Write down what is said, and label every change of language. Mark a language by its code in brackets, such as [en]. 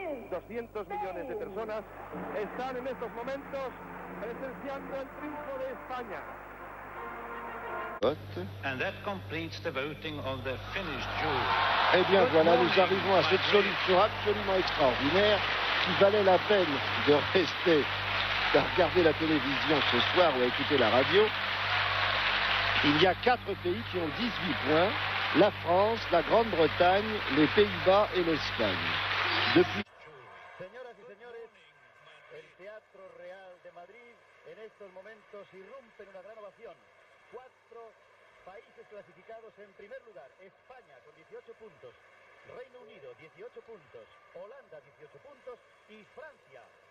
[es] 200 millones de personas están en estos momentos presenciando el triunfo de España. [en] And that completes the voting of the Finnish jury. [fr] Eh bien, voilà, nous arrivons à cette solution absolument extraordinaire qui valait la peine de rester à regarder la télévision ce soir ou à écouter la radio. Il y a quatre pays qui ont 18 points, la France, la Grande-Bretagne, les Pays-Bas et l'Espagne. Depuis... [es] Señoras y señores, el Teatro Real de Madrid en estos momentos irrumpe en una gran ovación. Cuatro países clasificados en primer lugar. España con 18 puntos, Reino Unido 18 puntos, Holanda 18 puntos y Francia.